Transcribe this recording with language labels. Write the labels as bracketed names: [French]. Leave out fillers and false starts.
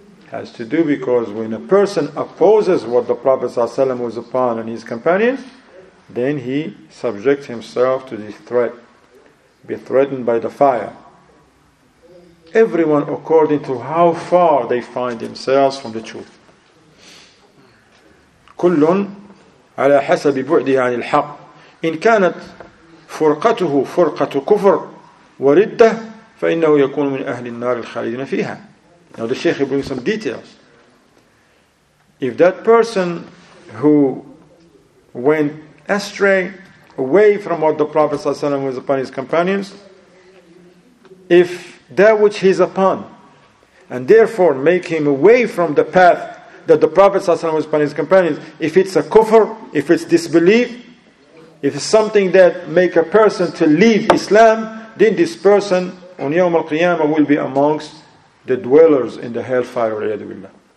[English] Has to do because when a person opposes what the Prophet ﷺ was upon and his companions, Then he subjects himself to this threat, be threatened by the fire. Everyone according to how far they find themselves from the truth. [Arabic] كلٌ على حسب بعده عن الحق. إن كانت فرقته فرقة كفر وردة فإنه يكون من أهل النار الخالدين فيها. [English] Now the Sheikh brings some details. If that person who went astray away from what the Prophet ﷺ was upon his companions, if that which he's upon, and therefore make him away from the path that the Prophet ﷺ was upon his companions, if it's a kufr, if it's disbelief, if it's something that make a person to leave Islam, then this person on Yawm al-Qiyamah will be amongst the dwellers in the hellfire, waliyadu billah.